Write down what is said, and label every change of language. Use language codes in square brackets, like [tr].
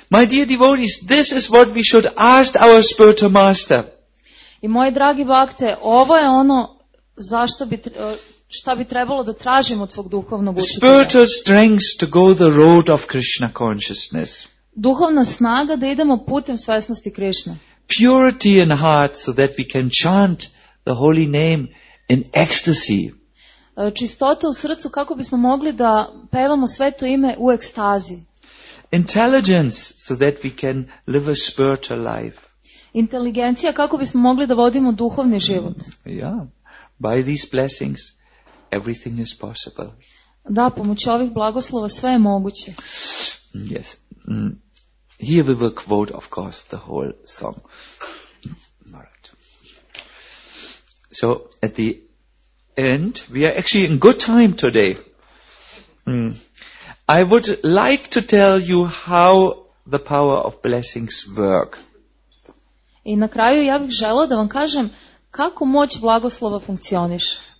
[en] My dear devotees, this is what we should ask our spiritual master. [sr] I moji dragi bhakte, ovo je ono zašto bi šta bi trebalo da tražimo od svog duhovnog učitelja. [en] Spiritual strength to go the road of Krishna consciousness. [sr] Duhovna snaga da idemo putem svesnosti Krishne. [en] Purity in heart so that we can chant the holy name in ecstasy. [sr] Čistota u srcu kako bismo mogli da pevamo sveto ime u ekstazi. [en] Intelligence so that we can live a spiritual life. [sr] Inteligencija kako bismo mogli da vodimo duhovni život. [en] Yeah. By these blessings everything is possible. [sr] Da, pomoću ovih blagoslova sve je moguće. [en] Yes. Here we will quote of course the whole song. So at the end, we are actually in good time today. I would like to tell you how the power of blessings work. [sr] I na kraju ja bih želao da vam kažem kako moć blagoslova funkcioniš.